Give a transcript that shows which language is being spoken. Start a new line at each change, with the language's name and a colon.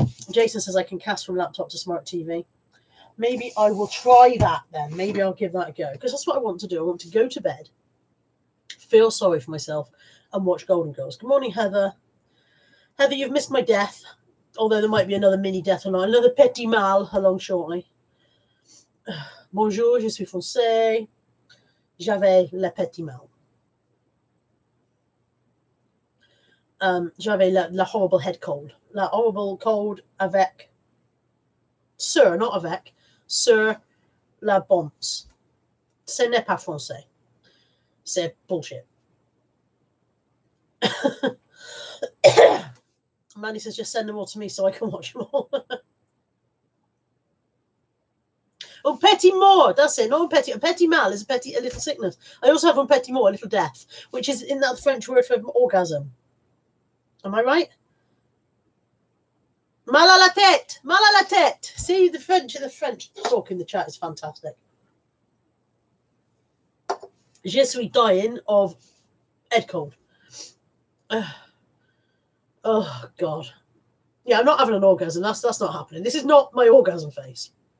English: Jason says, I can cast from laptop to smart TV. Maybe I will try that then. Maybe I'll give that a go, because that's what I want to do. I want to go to bed, feel sorry for myself, and watch Golden Girls. Good morning, Heather. Heather, you've missed my death, although there might be another mini death or not. Another petit mal along shortly.
French: Bonjour, je suis français. J'avais le petit mal. J'avais la horrible
English: head cold. that horrible cold avec, sir, not avec, sir, la bombs.
French: Ce n'est pas français. C'est
English: bullshit. Manny says, just send them all to me so I can watch them all.
French: Un petit mort,
English: that's it. Not
French: un petit,
English: a little sickness. I also have
French: un petit mort,
English: a little death, which is in that French word for orgasm. Am I right?
French: Mal à la tête, mal à la tête.
English: See, the French talk in the chat is fantastic.
French: Je suis
English: dying of head cold. Oh, God. Yeah, I'm not having an orgasm. That's not happening. This is not my orgasm face.